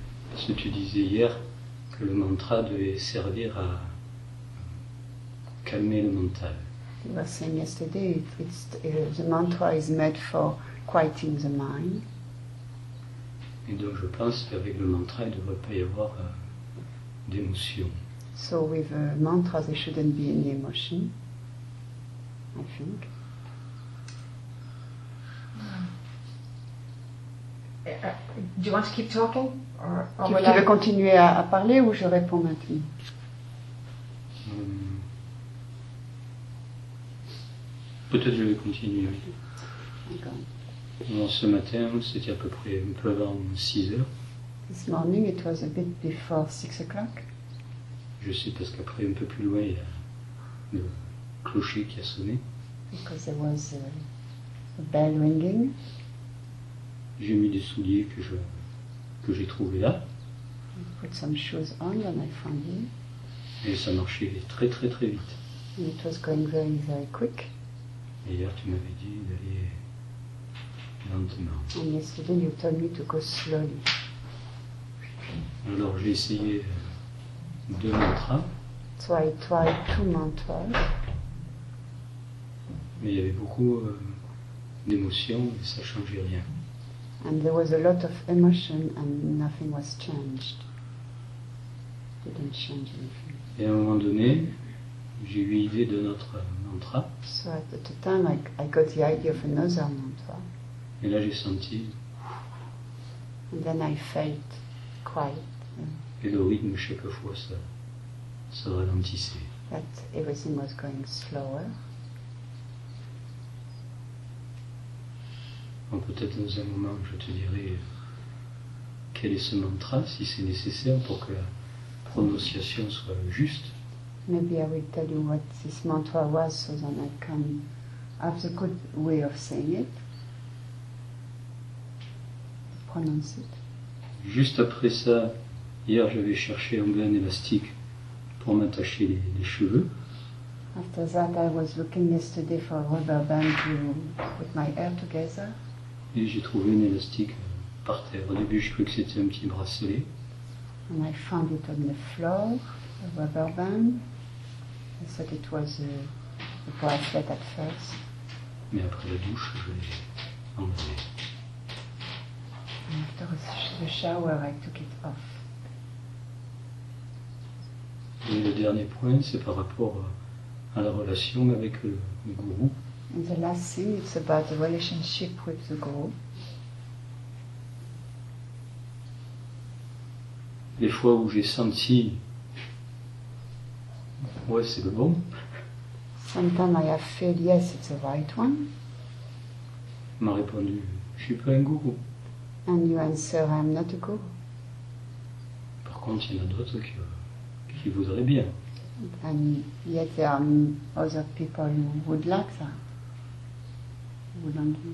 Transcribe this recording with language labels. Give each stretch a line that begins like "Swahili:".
French: Parce que tu disais hier que le mantra devait servir à calmer le mental.
English: You were saying yesterday the mantra is meant for quieting the mind.
French: Et donc je pense qu'avec le mantra, il ne devrait pas y avoir d'émotion.
English: So with a mantra, there shouldn't be any emotion, I think. Do you want to keep talking?
French: Tu veux continuer à parler ou je réponds maintenant? Peut-être je vais continuer. D'accord. Alors ce matin, c'était à peu près un peu avant 6 heures.
English: This morning, it was a bit before 6 o'clock.
French: Je sais parce qu'après, un peu plus loin, il y a le clocher qui a sonné.
English: Because there was a bell ringing.
French: J'ai mis des souliers que j'ai trouvés là.
English: I put some shoes on and I found them.
French: Et ça marchait très très très vite.
English: And it was going very very quick.
French: Et hier, tu m'avais dit d'aller...
English: And yesterday you told me to go slowly.
French: Alors j'ai essayé deux mantras.
English: So I tried two mantras.
French: Mais il y avait beaucoup d'émotions et ça changeait rien.
English: And there was a lot of emotion and nothing was changed. It didn't change anything.
French: Et à un moment donné, j'ai eu l'idée d'un autre mantra.
English: So at the time I got the idea of another mantra.
French: Et là, j'ai senti
English: And then I felt quiet.
French: Et le rythme chaque fois se ralentissait.
English: That everything was going slower.
French: Bon, peut-être dans un moment je te dirai quel est ce mantra si c'est nécessaire pour que la prononciation soit juste.
English: Maybe I will tell you what this mantra was so that I can have the good way of saying it.
French: Prononce
English: it.
French: Juste après ça, hier j'avais cherché un bain élastique pour m'attacher les cheveux.
English: After that I was looking yesterday for a rubber band to put my hair together.
French: Et j'ai trouvé un élastique par terre. Au début je croyais que c'était un petit bracelet.
English: And I found it on the floor, a rubber band. I thought it was a bracelet at first.
French: Mais après la douche, je l'ai enlevé.
English: And after the shower, I took it off.
French: Et le dernier point, c'est par rapport à la relation avec le gourou.
English: And the last thing, it's about the relationship with the guru.
French: Les fois où j'ai senti, ouais, c'est le bon.
English: Sometimes I have felt, yes, it's the right one.
French: M'a répondu, je suis pas un gourou.
English: And you answer, I'm not a guru.
French: Par contre, il y en a d'autres qui voudraient bien.
English: And yet there are other people who would like that.